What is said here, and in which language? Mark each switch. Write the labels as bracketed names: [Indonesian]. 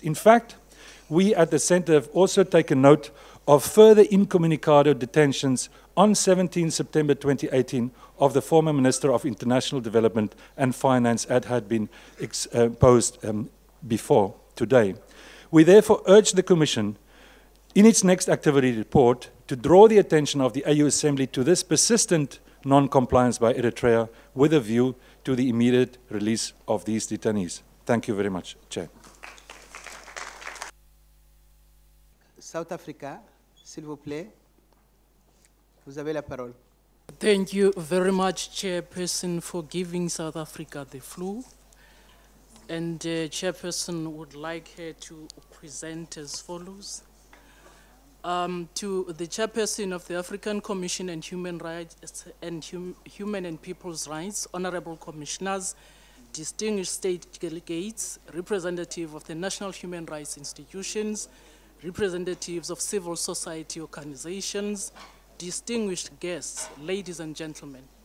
[English] In fact, we at the Center have also taken note of further incommunicado detentions on 17 September 2018 of the former Minister of International Development and Finance, as had been posed before today. We therefore urge the Commission, in its next activity report, to draw the attention of the AU Assembly to this persistent non-compliance by Eritrea with a view to the immediate release of these detainees. Thank you very much, Chair. [French] South Africa, s'il vous plaît, vous avez la parole. [English] Thank you very much, Chairperson, for giving South Africa the floor. And Chairperson would like her to present as follows. To the Chairperson of the African Commission and Human Rights and Human and People's Rights, Honorable Commissioners, distinguished state delegates, representative of the National Human Rights Institutions, representatives of civil society organizations, distinguished guests, ladies and gentlemen.